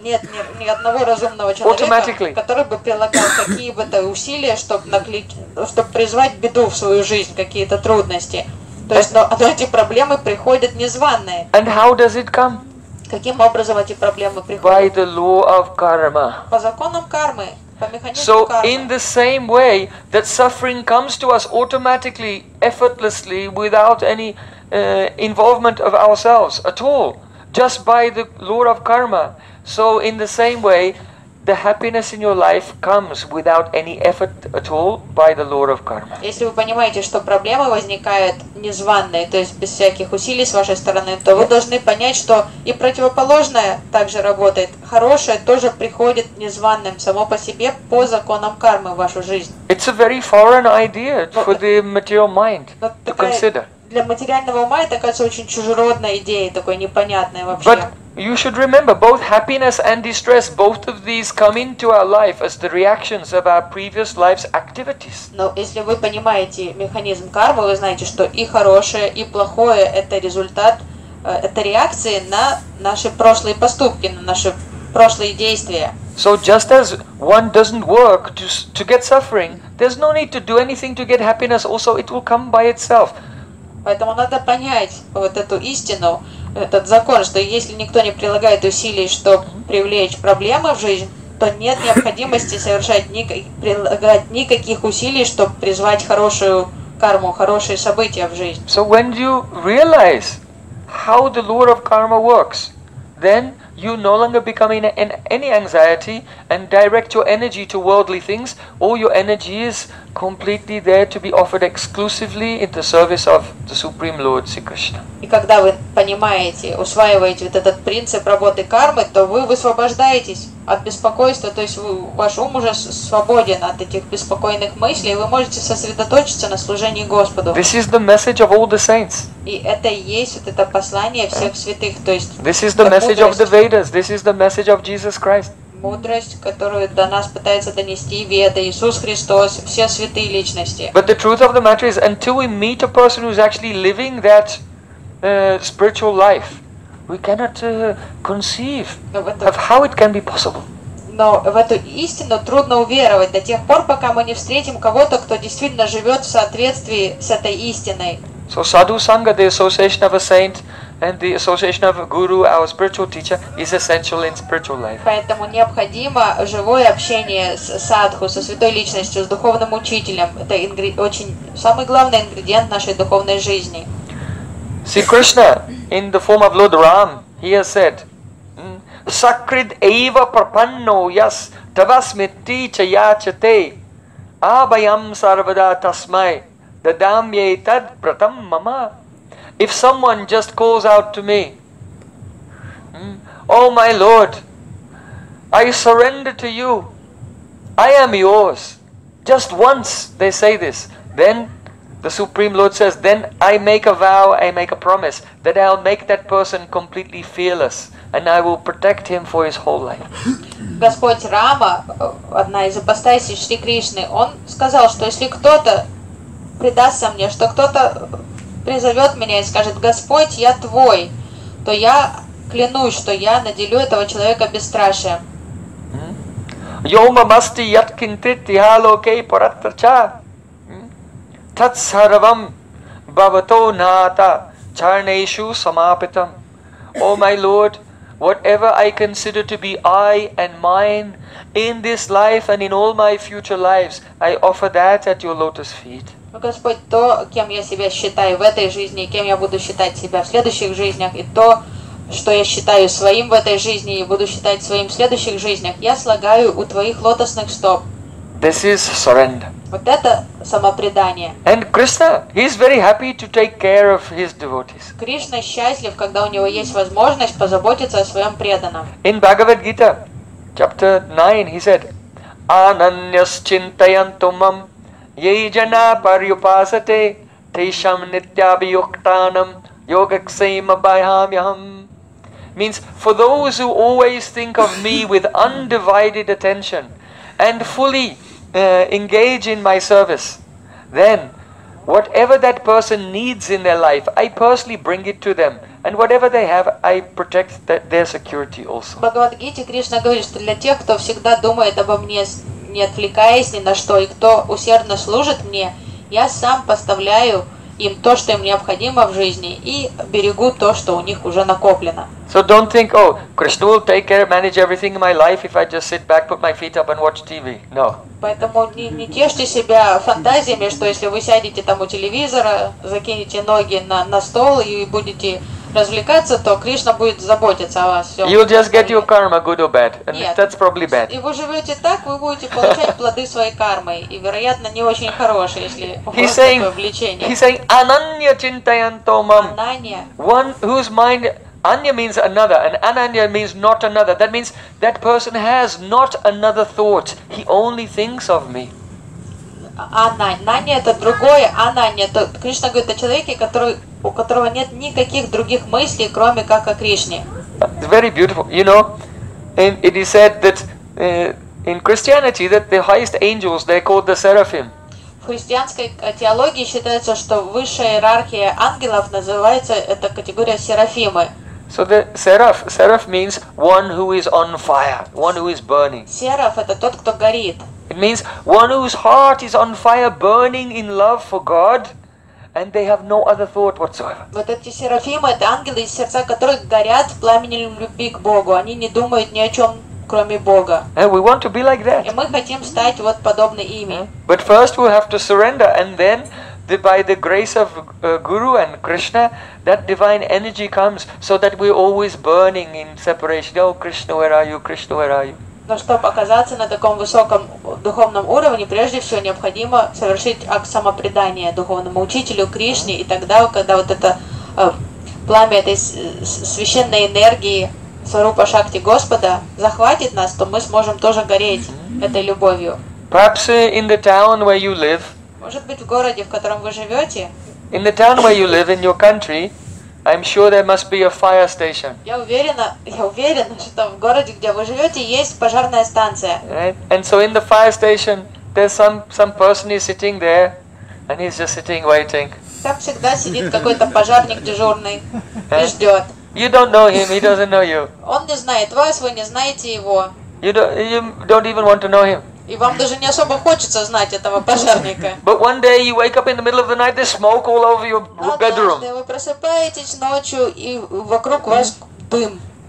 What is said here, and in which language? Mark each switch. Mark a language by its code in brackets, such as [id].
[ru] Нет ни одного разумного человека, который бы прилагал какие бы то усилия, чтобы призвать беду в свою жизнь, какие-то трудности. То есть но эти проблемы приходят незваные. [en] And how does it come? [ru] Каким образом эти проблемы приходят? [en] By the law of karma. [ru] По законам кармы, по механизму [en] so [ru] кармы. [en] So in the same way that suffering comes to us automatically, effortlessly, without any involvement of ourselves at all, just by the law of karma. So in the same way, the happiness in your life comes without any effort at all by the law of karma. [ru] Если вы понимаете, что проблемы возникают незваные, то есть без всяких усилий с вашей стороны, то вы должны понять, что и противоположное также работает. Хорошее тоже приходит незваным само по себе по законам кармы в вашу жизнь. [en] It's a very foreign idea for the material mind to consider. [ru] Для материального ума это, кажется, очень чужеродная идея, такой непонятная вообще. [en] But You should remember both happiness and distress, both of these come into our life as the reactions of our previous life's activities. [ru] Но если вы понимаете механизм кармы, вы знаете, что и хорошее, и плохое это результат, это реакции на наши прошлые поступки, на наши прошлые действия. [en] So just as one doesn't work to get suffering, there's no need to do anything to get happiness, also it will come by itself. [ru] Поэтому надо понять вот эту истину, этот закон, что если никто не прилагает усилий, чтобы привлечь проблемы в жизнь, то нет необходимости совершать прилагать никаких усилий, чтобы призвать хорошую карму, хорошие события в жизнь. [en] So when you realize how the law of karma works, then you no longer become in any anxiety and direct your energy to worldly things. All your energy is completely there to be offered exclusively in the service of the Supreme Lord, Sri Krishna. [ru] И когда вы понимаете, усваиваете вот этот принцип работы кармы, то вы высвобождаетесь от беспокойства, то есть ваш ум уже свободен от этих беспокойных мыслей, и вы можете сосредоточиться на служении Господу. [en] This is the message of all the saints. [ru] И это и есть вот это послание всех святых, то есть [en] This is the message of the Vedas. This is the message of Jesus Christ. [ru] Мудрость, которую до нас пытается донести Веда, Иисус Христос, все святые личности. [en] But the truth of the matter is, until we meet a person who's actually living that spiritual life, we cannot conceive of how it can be possible. [ru] Но в эту истину трудно уверовать до тех пор, пока мы не встретим кого-то, кто действительно живет в соответствии с этой истиной. [en] So sadhu sangha, the association of a saint and the association of a guru, our spiritual teacher, is essential in spiritual life. [ru] Поэтому необходимо живое общение с садху, со святой личностью, с духовным учителем. Это очень самый главный ингредиент нашей духовной жизни. [en] Sri Krishna, in the form of Lord Ram, he has said, [sa] Sakrid eva prapanno yas tavasmiti chayachate abhayam sarvada tasmai dadam yetad pratam mama. [en] If someone just calls out to me, oh my Lord, I surrender to you, I am yours, just once they say this, then the Supreme Lord says, then I make a vow, I make a promise, that I'll make that person completely fearless, and I will protect him for his whole life. [ru] Господь Рама, одна из апостасей Шри Кришны, он сказал, что если кто-то предастся мне, что кто-то призовет меня и скажет, Господь, я твой, то я клянусь, что я наделю этого человека бесстрашием. [sa] Йома масти ят кинтит я локей параттрча. Tat sarvam bhavato nata charneshu samapitam. [en] O my Lord, whatever I consider to be I and mine, in this life and in all my future lives, I offer that at your lotus feet. [ru] Господь, то, кем я себя считаю в этой жизни, кем я буду считать себя в следующих жизнях, и то, что я считаю своим в этой жизни и буду считать своим в следующих жизнях, я слагаю у твоих лотосных стоп. [en] This is surrender. [ru] Вот это самопредание. [en] And Krishna, he is very happy to take care of his devotees. [ru] Кришна счастлив, когда у него есть возможность позаботиться о своем преданном. [en] In Bhagavad Gita, chapter 9, he said, [sa] Ananyas chintayantumam yejana paryupasate tesham nityabhiyuktanam yogakshema bhayamyaham. [en] Means, for those who always think of me with undivided attention and fully engage in my service, then whatever that person needs in their life, I personally bring it to them, and whatever they have, I protect their security also. [ru] Бхагавад-гите Кришна говорит, что для тех, кто всегда думает обо мне, не отвлекаясь ни на что, и кто усердно служит мне, я сам поставляю им то, что им необходимо в жизни, и берегу то, что у них уже накоплено. [en] So don't think, oh, Krishna will take care, manage everything in my life if I just sit back, put my feet up and watch TV. No. [ru] Поэтому не тешьте себя фантазиями, что если вы сядете там у телевизора, закинете ноги на стол и будете развлекаться, то Кришна будет заботиться о вас. [en] You'll just get your karma, good or bad. And [ru] нет. [en] That's probably bad. [ru] И вы живете так, вы будете получать плоды своей кармы. И, вероятно, не очень хорошие, если у вас такое влечение. [en] He's saying, [sa] ananya chintayantomam. Ananya. [en] One whose mind... Ananya means another, and ananya means not another. That means that person has not another thought. He only thinks of me. [ru] Ананья – это другое. Ананья – это, Кришна говорит, о человеке, у которого нет никаких других мыслей, кроме как о Кришне. [en] It's very beautiful. You know, and it is said that in Christianity that the highest angels, they're called the seraphim. [ru] В христианской теологии считается, что высшая иерархия ангелов называется эта категория серафимы. [en] So the seraph, seraph means one who is on fire, one who is burning. [ru] Сераф — это тот, кто горит. [en] It means one whose heart is on fire, burning in love for God, and they have no other thought whatsoever. [ru] Вот эти серафимы — это ангелы из сердца, которые горят пламенем любви к Богу. Они не думают ни о чем, кроме Бога. [en] And we want to be like that. [ru] И мы хотим стать вот подобны ими. [en] But first we have to surrender, and then by the grace of Guru and Krishna, that divine energy comes, so that we're always burning in separation. Oh, Krishna, where are you? Krishna, where are you? [ru] Но чтобы оказаться на таком высоком духовном уровне, прежде всего необходимо совершить акт самопредания духовному учителю Кришне, и тогда, когда вот это пламя этой священной энергии Сварупа Шакти Господа захватит нас, то мы сможем тоже гореть этой любовью. [en] Perhaps in the town where you live. [ru] Может быть, в городе, в котором вы живете. [en] In the town where you live, in your country, I'm sure there must be a fire station. [ru] Я уверена, что в городе, где вы живете, есть пожарная станция. [en] Right? And so in the fire station, there's some person is sitting there, and he's just sitting waiting. [ru] Там всегда сидит какой-то пожарник дежурный и ждет. [en] You don't know him, he doesn't know you. [ru] Он не знает вас, вы не знаете его. [en] You don't even want to know him. [ru] И вам даже не особо хочется знать этого пожарника. [en] But one day you wake up in the middle of the night, there's smoke all over your bedroom. [ru] Однажды вы просыпаетесь ночью, и вокруг вас дым.